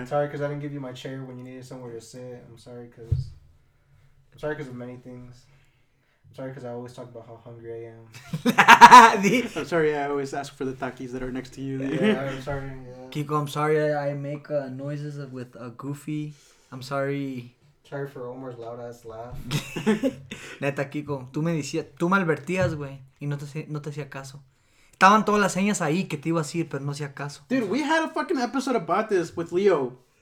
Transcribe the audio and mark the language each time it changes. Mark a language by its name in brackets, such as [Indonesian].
[English] I'm sorry because I didn't give you my chair when you needed somewhere to sit. I'm sorry because of many things. I'm sorry because I always talk about how hungry I am. I'm sorry, yeah, I always ask for the takis that are next to you. Yeah, yeah, I'm sorry. Yeah. Kiko, I'm sorry I make noises with a goofy. I'm sorry. Sorry for Omar's loud ass laugh. [Spanish] Neta, Kiko, tú me decías, tú me advertías, güey, y no te hacía caso. Estaban todas las señas ahí que te iba a decir, pero no hacía caso. [English] Dude, we had a fucking episode about this with Leo.